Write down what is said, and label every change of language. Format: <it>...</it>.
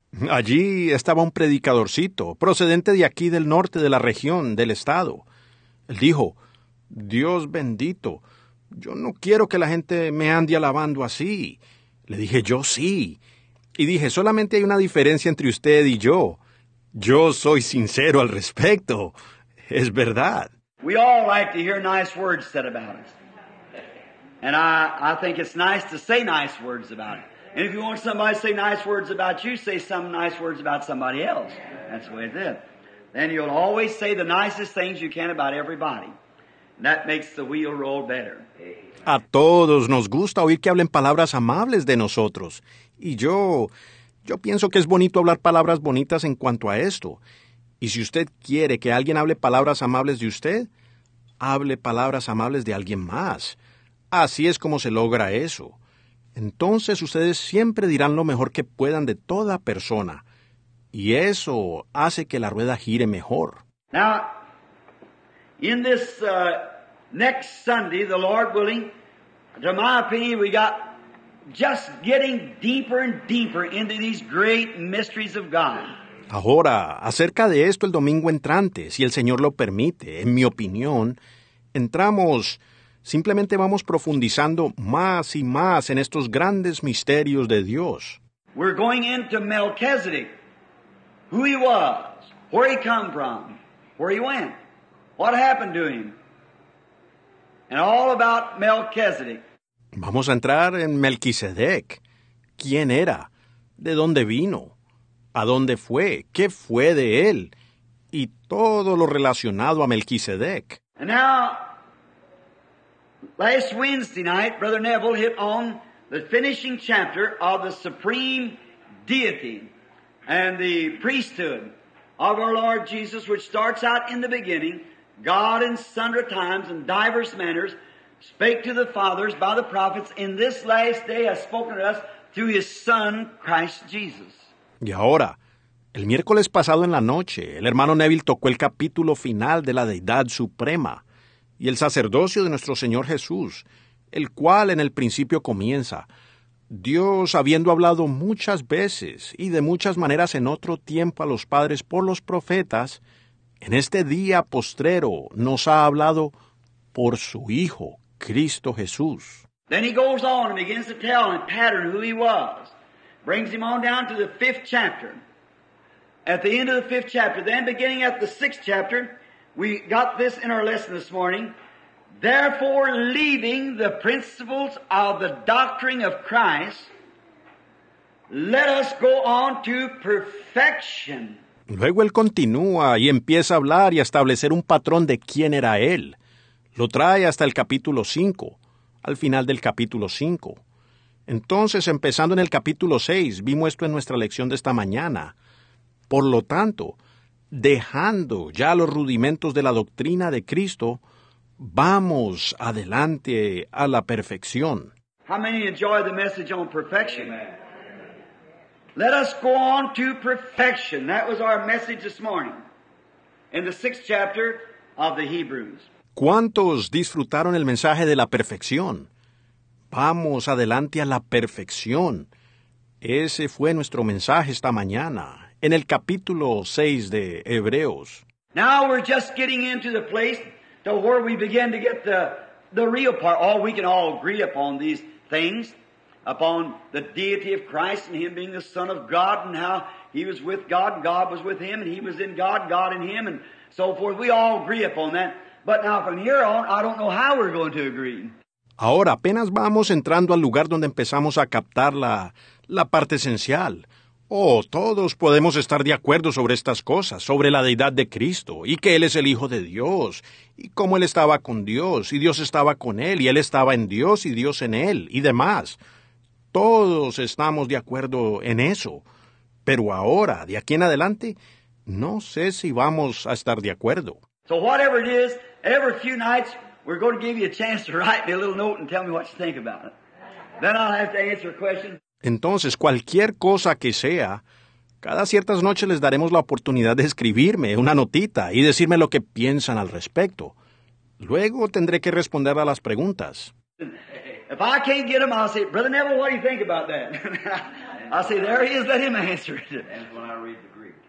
<es>Allí estaba un predicadorcito, procedente de aquí del norte de la región, del estado. Él dijo, "Dios bendito, yo no quiero que la gente me ande alabando así." Le dije, "Yo sí." Y dije, "Solamente hay una diferencia entre usted y yo. Yo soy sincero al respecto. Es verdad."</es> <en>We all like to hear nice words said about us. And I think it's nice to say nice words about it. And if you want somebody to say nice words about you, say some nice words about somebody else. That's the way it is. Then you'll always say the nicest things you can about everybody. And that makes the wheel roll better.</en> <es>A todos nos gusta oír que hablen palabras amables de nosotros. Y yo pienso que es bonito hablar palabras bonitas en cuanto a esto. Y si usted quiere que alguien hable palabras amables de usted, hable palabras amables de alguien más. Así es como se logra eso. Entonces ustedes siempre dirán lo mejor que puedan de toda persona. Y eso hace que la rueda gire mejor.</es> <en>Now, in this next Sunday, the Lord willing, to my opinion, we got just getting deeper and deeper into these great mysteries of God.</en> <es>Ahora, acerca de esto el domingo entrante, si el Señor lo permite, en mi opinión, entramos, simplemente vamos profundizando más y más en estos grandes misterios de Dios.</es> <en>We're going into Melchizedek, who he was, where he come from, where he went, what happened to him, and all about Melchizedek.</en> <es>Vamos a entrar en Melquisedec, quién era, de dónde vino. ¿A dónde fue? ¿Qué fue de él? Y todo lo relacionado a Melquisedec.</es> <en>And now, last Wednesday night, Brother Neville hit on the finishing chapter of the supreme deity and the priesthood of our Lord Jesus, which starts out in the beginning, God in sundry times and diverse manners spake to the fathers by the prophets, in this last day has spoken to us through his Son, Christ Jesus.</en> <es>Y ahora, el miércoles pasado en la noche, el hermano Neville tocó el capítulo final de la Deidad Suprema y el sacerdocio de nuestro Señor Jesús, el cual en el principio comienza, Dios habiendo hablado muchas veces y de muchas maneras en otro tiempo a los padres por los profetas, en este día postrero nos ha hablado por su Hijo, Cristo Jesús.</es> <en>Then he goes on and begins to tell and pattern who he was. Brings him on down to the fifth chapter. At the end of the fifth chapter, then beginning at the sixth chapter, we got this in our lesson this morning. Therefore, leaving the principles of the doctrine of Christ, let us go on to perfection.</en> <es>Luego él continúa y empieza a hablar y a establecer un patrón de quién era él. Lo trae hasta el capítulo 5, al final del capítulo 5. Entonces, empezando en el capítulo 6, vimos esto en nuestra lección de esta mañana. Por lo tanto, dejando ya los rudimentos de la doctrina de Cristo, vamos adelante a la perfección.</es> <en>How many enjoy the message on perfection? Let us go on to perfection. That was our message this morning in the sixth chapter of the Hebrews.</en> <es>¿Cuántos disfrutaron el mensaje de la perfección? Vamos adelante a la perfección. Ese fue nuestro mensaje esta mañana, en el capítulo 6 de Hebreos.</es> <en>Now we're just getting into the place to where we begin to get the real part. All we can all agree upon these things, upon the deity of Christ and Him being the Son of God and how He was with God and God was with Him and He was in God, God in Him and so forth. We all agree upon that. But now from here on, I don't know how we're going to agree.</en> <es>Ahora apenas vamos entrando al lugar donde empezamos a captar la parte esencial. Oh, todos podemos estar de acuerdo sobre estas cosas, sobre la deidad de Cristo, y que Él es el Hijo de Dios, y cómo Él estaba con Dios, y Dios estaba con Él, y Él estaba en Dios, y Dios en Él, y demás. Todos estamos de acuerdo en eso. Pero ahora, de aquí en adelante, no sé si vamos a estar de acuerdo.</es> <en>So whatever it is, every few nights, we're going to give you a chance to write me a little note and tell me what you think about it. Then I'll have to answer a question.</en> <es>Entonces, cualquier cosa que sea, cada ciertas noches les daremos la oportunidad de escribirme una notita y decirme lo que piensan al respecto. Luego tendré que responder a las preguntas.</es> <en>If I can't get them, I'll say, Brother Neville, what do you think about that? I'll say, there he is, let him answer it. That's when I read the Greek.</en>